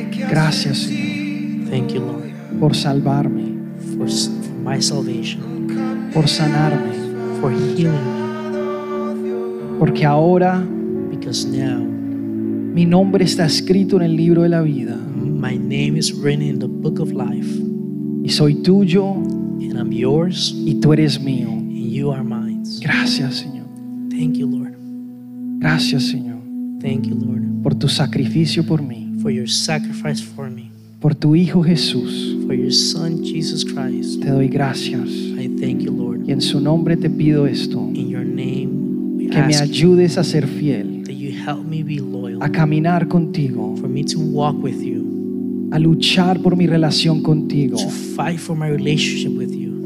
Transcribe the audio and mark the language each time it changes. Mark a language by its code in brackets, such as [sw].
[es] Gracias, Señor. [en] Thank you, Lord. [es] Por salvarme. [en] For my salvation. [es] Por sanarme. [en] For healing me. [es] Porque ahora, [en] because now, [es] mi nombre está escrito en el libro de la vida. [en] my name is written in the book of life. [es] Y soy tuyo. [en] And I'm yours. [es] Y tú eres mío. [en] And you are mine. [es] Gracias, Señor. [en] Thank you, Lord. [es] Gracias, Señor. [en] Thank you, Lord. [es] Por tu sacrificio por mí. [en] For your sacrifice for me. [es] Por tu Hijo Jesús. [en] For your Son, Jesus Christ. [es] Te doy gracias. [en] I thank you, Lord. [es] Y en su nombre te pido esto. [en] In your name, we ask. [es] Que me ayudes a ser fiel. [en] That you help me be loyal. [es] A caminar contigo. [en] For me to walk with you. [es] A luchar por mi relación contigo. [en] To fight for my relationship with you.